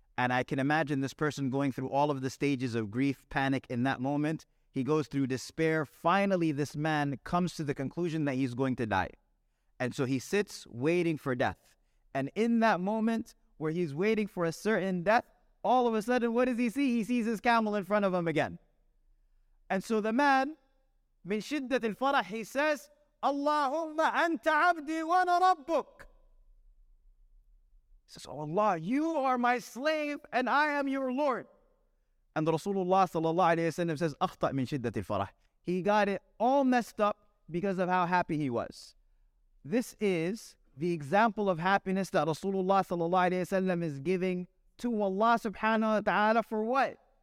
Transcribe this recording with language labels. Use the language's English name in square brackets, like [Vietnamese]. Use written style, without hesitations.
[English] And I can imagine this person going through all of the stages of grief, panic in that moment. He goes through despair. Finally, this man comes to the conclusion that he's going to die. And so he sits waiting for death. And in that moment, where he's waiting for a certain death, all of a sudden, what does he see? He sees his camel in front of him again. [Arabic] And so the man, من شدة الفرح, he says, اللهم أنت عبدي وأنا ربك. [English] He says, oh Allah, you are my slave and I am your Lord. And the Rasulullah sallallahu alayhi wa sallam says, أخطأ من شدة الفرح. He got it all messed up because of how happy he was. This is the example of happiness that Rasulullah sallallahu alayhi wa sallam is giving to Allah subhanahu wa ta'ala for what?